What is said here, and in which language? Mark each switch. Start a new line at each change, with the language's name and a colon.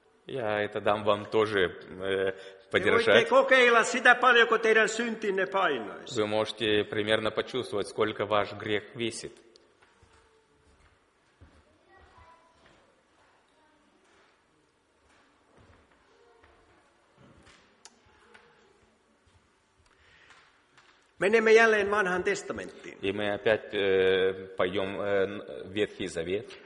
Russian: Я это дам вам тоже подержать.
Finnish: Te voitte kokeilla sitä paljonko teidän syntinne painaisi.
Russian: Вы можете примерно почувствовать, сколько ваш грех весит.
Finnish: Menemme jälleen vanhaan testamenttiin.
Russian: И мы опять пойдем в Ветхий Завет.